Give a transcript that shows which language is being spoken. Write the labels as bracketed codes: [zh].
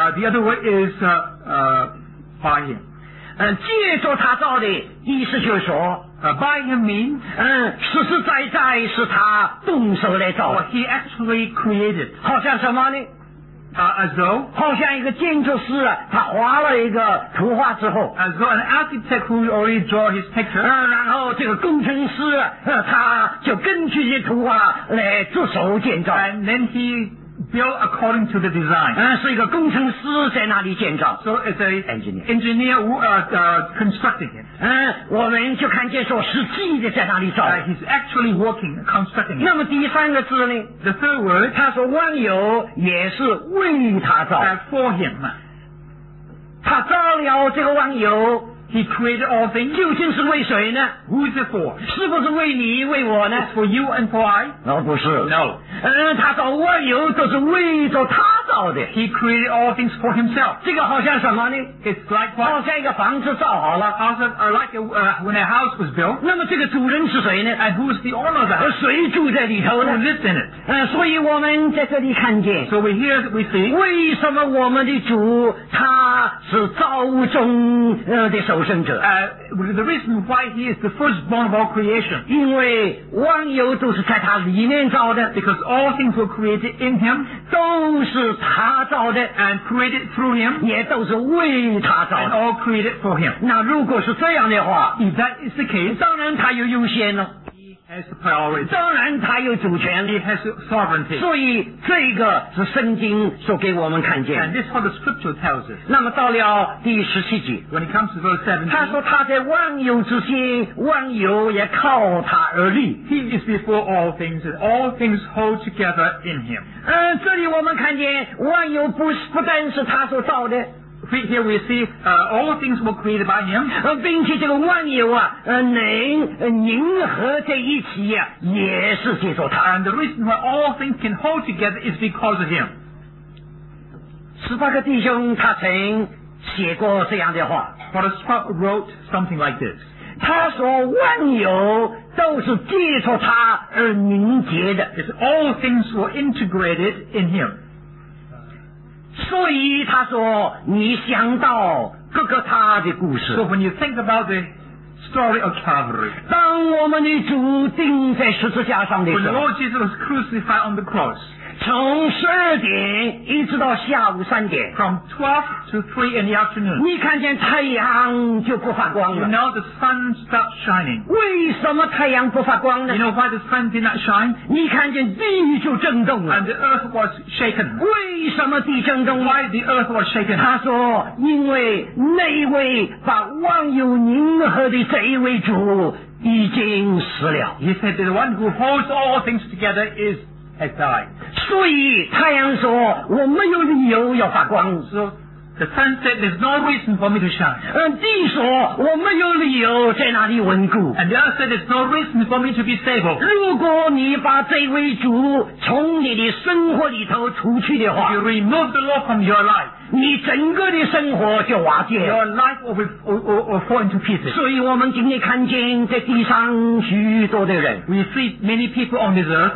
[en] the other word is by Him [zh] 借着他造的意思就是说 [en] by him means [zh] 实实在在是他动手来造的 [en] he actually created [zh] 好像什么呢 [en] as though [zh] 好像一个建筑师他画了一个图画之后 [en] as though an architect who already draw his picture [zh] 然后这个工程师他就根据这图画来着手建造 [en] and then heBuilt according to the design. [zh] 是一个工程师在那里建造。 [en] So it's a engineer who constructing it. [zh] 我们就看见说实际的在那里造。 [en] He's actually working constructing it. [zh] 那么第三个字呢 [en] ？The third word. [zh] 他说万有也是为他造。 [en] For him. [zh] 他造了这个万有。 [en] He created all things. [zh] 究竟是为谁呢 [en] ？Who is it for? [zh] 是不是为你为我呢 [en] ？It's for you and for I. [zh] No, 不是。 [en] No. [zh] 他造万有都是为着他造的。 [en] He created all things for himself. [zh] 这个好像什么呢 [en] ？It's like what? [zh] 好像一个房子造好了。 [en] When a house was built. [zh] 那么这个主人是谁呢 [en] ？And who is the owner of that? [zh] 谁住在里头呢 [en] ？Who lives in it? [zh] 所以我们在这里看见。 [en] So we hear, we see. [zh] 为什么我们的主他是造物中的首？ [en] The reason why he is the firstborn of all creation. [zh] 因为万有都是在他里面造的 [en] Because all things were created in him. [zh] 都是他造的 [en] And created through him. [zh] 也都是为他造的 [en] And all created for him. [zh] 那如果是这样的话 [en] If that is the case. [zh] 当然他有优先了 [en] Has the priority. [zh] 当然他有主权 [en] He has sovereignty. [zh] 所以这个是圣经所给我们看见 [en] And this is what the scripture tells us. [zh] 那么到了第十七节 [en] When it comes to verse 17, [zh] 他说他在万有之先万有也靠他而立 [en] He is before all things and all things hold together in him. [zh] 这里我们看见万有不单是他所造的 [en] Here we see all things were created by him. [zh] 并且这个万有能凝合在一起也是借着他。 [en] And the reason why all things can hold together is because of him. [zh] 十八个弟兄他曾写过这样的话。 [en] But Spock wrote something like this. [zh] 他说万有都是借着他而凝结的。 [en] It's all things were integrated in him. [zh] 所以他说你想到各个他的故事 [en] So when you think about the story of Calvary [zh] 当我们的主钉在十字架上的时候 [en] When the Lord Jesus was crucified on the cross [zh] 从十二点一直到下午三点 [en] From 12 to 3 in the afternoon [zh] 你看见太阳就不发光了 [en] You know the sun stopped shining [zh] 为什么太阳不发光呢 [en] You know why the sun did not shine [zh] 你看见地就震动了 [en] And the earth was shaken [zh] 为什么地震动 [en] Why the earth was shaken? [zh] 他说因为那一位把万有凝合的这一位主已经死了 [en] He said that the one who holds all things together has died [zh] 所以太阳说我没有理由要发光 [en] So the sun said there's no reason for me to shine [zh] 地说我没有理由在那里稳固 [en] And the earth said there's no reason for me to be stable [zh] 如果你把这位主从你的生活里头除去的话 [en] You remove the law from your life [zh] 你整个的生活就瓦解。 [en] Your life will fall into pieces. [zh] 所以我们今天看见在地上许多的人。 [en] We see many people on this earth.